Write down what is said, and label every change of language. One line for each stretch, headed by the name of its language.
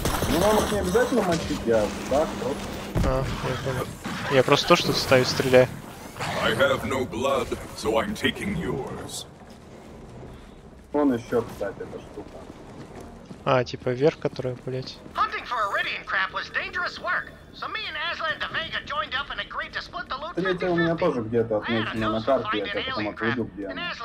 Russian: Ну нам их не обязательно мочить, я так просто. А, я понял. Я просто то, что ставить стреляю.
English: I have no blood, so I'm taking yours.
Russian: Вон еще, кстати, эта штука. А, типа вверх, которая, блять.
English: Hunting for Iridian crap was dangerous work. So me and Aslan the Vega joined up and agreed to split the loot 50-50.
Russian: Третья у меня тоже где-то отмечена на карте, я тебя потом отведу, где она.